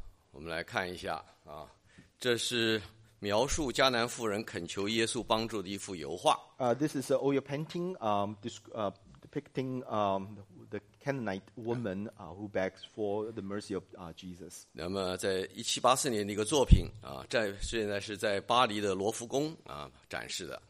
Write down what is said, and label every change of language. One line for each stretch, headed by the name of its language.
Chinese: 我们来看一下，这是描述迦南妇人恳求耶稣帮助的一幅油画。
English: This is an oil painting depicting the Canaanite woman who begs for the mercy of Jesus.
Chinese: 那么在1784年的一个作品，现在是在巴黎的罗浮宫展示的。